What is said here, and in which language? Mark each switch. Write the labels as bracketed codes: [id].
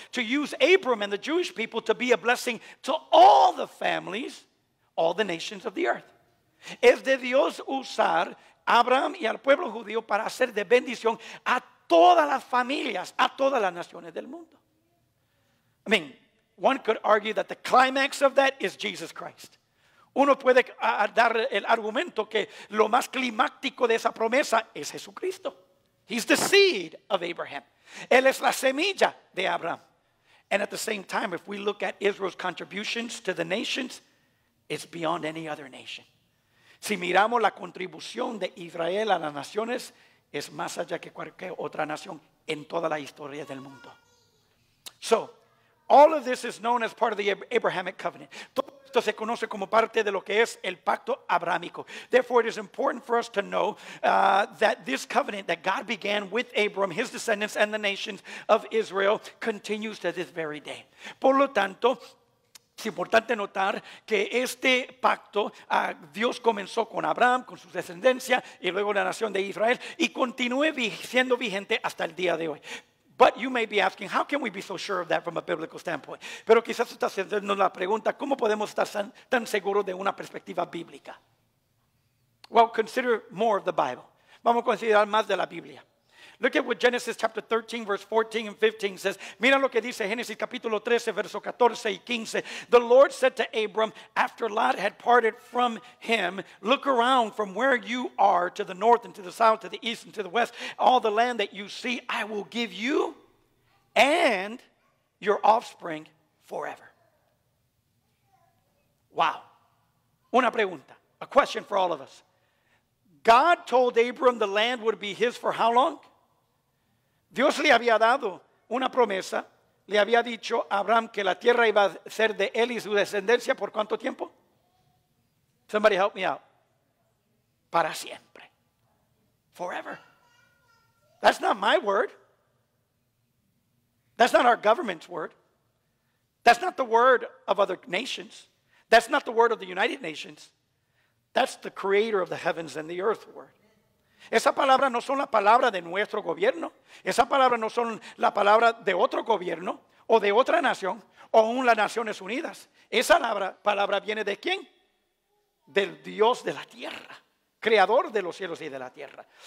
[en] To use Abram and the Jewish people to be a blessing to all the families, all the nations of the earth. [es] Es de Dios usar Abraham y al pueblo judío para hacer de bendición a todas las familias, a todas las naciones del mundo. [en] I mean, one could argue that the climax of that is Jesus Christ. [es] Uno puede dar el argumento que lo más climático de esa promesa es Jesucristo. [en] He's the seed of Abraham. [es] Él es la semilla de Abraham. [en] And at the same time, if we look at Israel's contributions to the nations, it's beyond any other nation. [es] Si miramos la contribución de Israel a las naciones, es más allá que cualquier otra nación en toda la historia del mundo. [en] So, all of this is known as part of the Abrahamic covenant. [es] Esto se conoce como parte de lo que es el pacto abrámico. [en] Therefore, it is important for us to know that this covenant that God began with Abram, his descendants, and the nations of Israel continues to this very day. [es] Por lo tanto, es importante notar que este pacto, Dios comenzó con Abraham, con su descendencia, y luego la nación de Israel, y continúe siendo vigente hasta el día de hoy. [en] But you may be asking, how can we be so sure of that from a biblical standpoint? [es] Pero quizás estás haciendo la pregunta, ¿cómo podemos estar tan seguros de una perspectiva bíblica? [en] Well, consider more of the Bible. [es] Vamos a considerar más de la Biblia. [en] Look at what Genesis chapter 13, verse 14 and 15 says. [es] Mira lo que dice Génesis capítulo 13, verso 14 y 15. [en] The Lord said to Abram, after Lot had parted from him, look around from where you are to the north and to the south, to the east and to the west. All the land that you see, I will give you and your offspring forever. Wow. [es] Una pregunta. [en] A question for all of us. God told Abram the land would be his for how long? [es] Dios le había dado una promesa, le había dicho a Abraham que la tierra iba a ser de él y su descendencia, ¿por cuánto tiempo? [en] Somebody help me out. [es] Para siempre. [en] Forever. That's not my word. That's not our government's word. That's not the word of other nations. That's not the word of the United Nations. That's the creator of the heavens and the earth word. [es] Esa palabra no son la palabra de nuestro gobierno. Esa palabra no son la palabra de otro gobierno o de otra nación o aún las Naciones Unidas. Esa palabra viene ¿de quién? Del Dios de la tierra, creador de los cielos y de la tierra.